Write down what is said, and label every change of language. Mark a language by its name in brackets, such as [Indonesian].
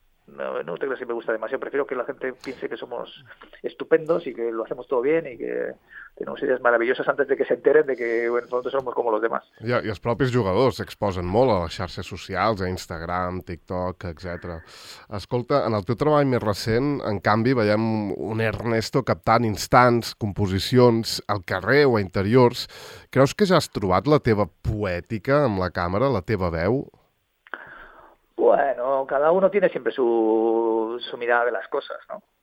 [Spanish] No te creas que me gusta demasiado. Prefiero que la gente piense que somos estupendos y que lo hacemos todo bien y que tenemos ideas maravillosas antes de que se enteren de que, bueno, nosotros somos como los demás. [Catalan] I els propis jugadors s'exposen molt a les xarxes socials, a Instagram, TikTok, etc. Escolta, en el teu treball més recent, en canvi, veiem un Ernesto captant instants, composicions, al carrer o a interiors. Creus que ja has trobat la teva poètica amb la càmera, la teva veu? [Spanish] Bueno, cada uno tiene siempre su mirada de las cosas, ¿no?